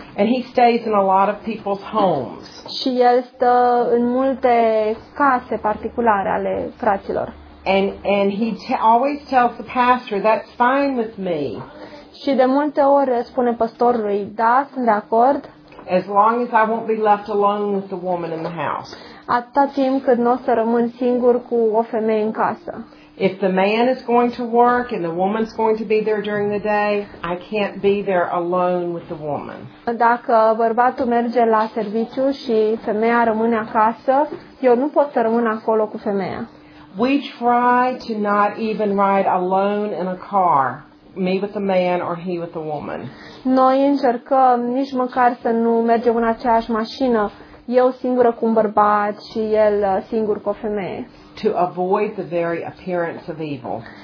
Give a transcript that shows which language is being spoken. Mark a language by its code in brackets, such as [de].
[en] And he stays in a lot of people's homes. [ro] Și el stă în multe case particulare ale fraților. [en] And he always tells the pastor, that's fine with me. [ro] Și de multe ori spune pastorului, da, sunt de acord. [en] As long as I won't be left alone with the woman in the house. [ro] Atâta timp cât n-o să rămân singur cu o femeie în casă. [en] If the man is going to work and the woman's going to be there during the day, I can't be there alone with the woman. [ro] Dacă bărbatul merge la serviciu și femeia rămâne acasă, eu nu pot să rămân acolo cu femeia. [en] We try to not even ride alone in a car, me with the man or he with the woman. [ro] Noi încercăm nici măcar să nu mergem în aceeași mașină, eu singură cu un bărbat și el singur cu o femeie. [en] To avoid the very appearance of evil.